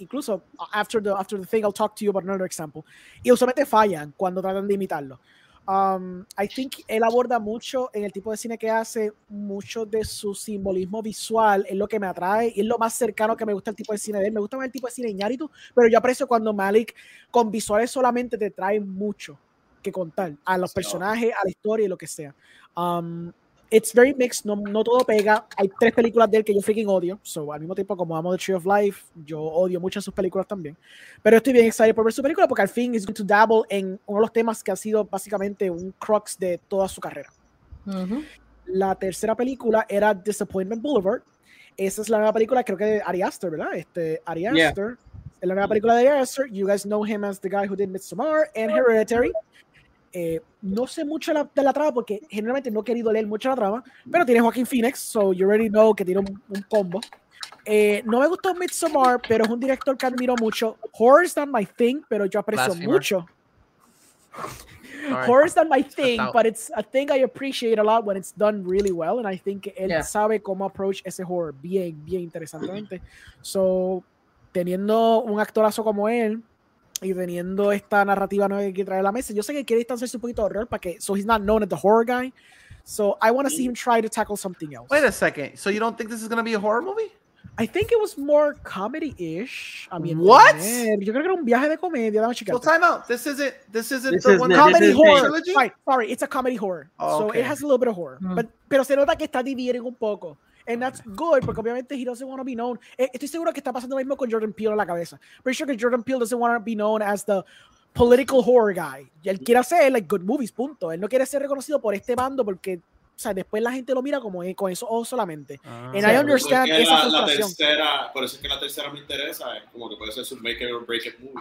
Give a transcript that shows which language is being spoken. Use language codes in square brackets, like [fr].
[en] Incluso after the thing, I'll talk to you about another example. [es] Y usualmente fallan cuando tratan de imitarlo. [en] I think [es] él aborda mucho en el tipo de cine que hace, mucho de su simbolismo visual es lo que me atrae y es lo más cercano que me gusta el tipo de cine de él. Me gusta más el tipo de cine Iñárritu, pero yo aprecio cuando Malick con visuales solamente te trae mucho que contar a los personajes, a la historia y lo que sea. [en] It's very mixed, [es] no todo pega. Hay tres películas de él que yo freaking odio, so al mismo tiempo como amo The Tree of Life, yo odio muchas de sus películas también, pero estoy bien excited por ver su película porque al fin [en] is going to dabble [es] en uno de los temas que ha sido básicamente un crux de toda su carrera. La tercera película era Disappointment Boulevard. Esa es la nueva película, creo que de Ari Aster, ¿verdad? Ari Aster, es la nueva película de Ari Aster. [en] You guys know him as the guy who did Midsommar and Hereditary. [es] No sé mucho de la trama porque generalmente no he querido leer mucho la trama, pero tiene Joaquin Phoenix, [en] so you already know [es] que tiene un combo. No me gustó Midsommar, pero es un director que admiro mucho. [en] Horror is not my thing, [es] pero yo aprecio mucho. Right. [en] Horror is not my thing, but it's a thing I appreciate a lot when it's done really well. And I think [es] él sabe cómo approach ese horror bien, bien interesantemente. So, teniendo un actorazo como él y teniendo esta narrativa nueva que trae a la mesa, yo sé que quiere distanciarse un poquito de horror, porque, [en] so he's not known as the horror guy. So, I want to see him try to tackle something else. Wait a second. So, you don't think this is going to be a horror movie? I think it was more comedy-ish. I mean, what? [es] Yo creo que era un viaje de comedia. [en] Well, time out. This isn't comedy horror. Sorry, it's a comedy horror. Oh, so okay. It has a little bit of horror. Hmm. [es] But pero se nota que está dividiendo un poco. [en] And that's good, [es] porque obviamente [en] he doesn't want to be known. [es] Estoy seguro que está pasando lo mismo con Jordan Peele en la cabeza. Pretty sure que Jordan Peele [en] doesn't want to be known as the political horror guy. [es] Y él quiere hacer, [en] like, good movies, [es] punto. Él no quiere ser reconocido por este bando porque... O sea, después la gente lo mira como con eso o solamente. [en] And I understand [es] esa frustración. La tercera, por eso es que la tercera me interesa. Como que puede ser su [en] make it or break it movie.